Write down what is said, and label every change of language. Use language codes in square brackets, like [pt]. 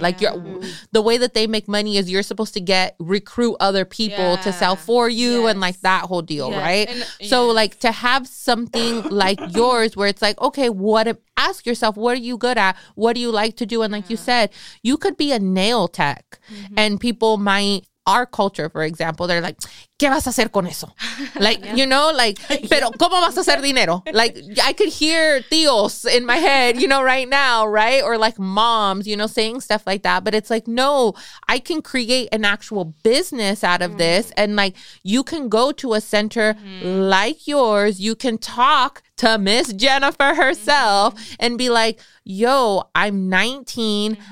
[en] Like the way that they make money is you're supposed to recruit other people to sell for you and like that whole deal, right? So like to have something like yours where it's like, okay, ask yourself, what are you good at? What do you like to do? And like you said, you could be a nail tech and people might, our culture, for example, they're like, [es] ¿qué vas a hacer con eso? [en] Like, you know, like, [es] pero ¿cómo vas a hacer dinero? [en] Like, I could hear tíos in my head, you know, right now, right? Or like moms, you know, saying stuff like that. But it's like, no, I can create an actual business out of this. And like, you can go to a center like yours. You can talk to Miss Jennifer herself and be like, yo, I'm 19.